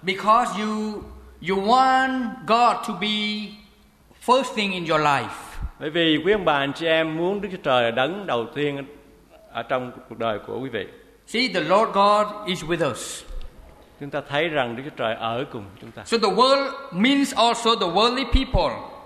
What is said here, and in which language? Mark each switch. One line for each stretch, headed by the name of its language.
English: Because you want God to be first thing in your life.
Vietnamese: Bởi vì quý ông bà anh chị em muốn Đức Chúa Trời là đấng đầu tiên ở trong cuộc đời của quý vị.
English: See, the Lord God is with us.
Vietnamese: Chúng ta thấy rằng Đức Chúa Trời ở cùng chúng ta.
English: So the world means also the worldly people.